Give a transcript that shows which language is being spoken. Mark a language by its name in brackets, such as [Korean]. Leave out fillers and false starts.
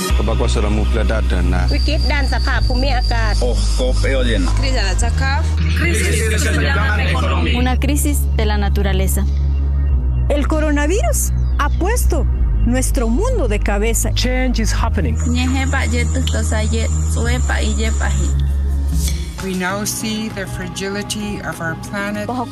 [Spanish] Wicked dance of half, whom I got. Una crisis de la naturaleza. El coronavirus ha puesto nuestro mundo de cabeza. [English] Change is happening. We now see the fragility of our planet.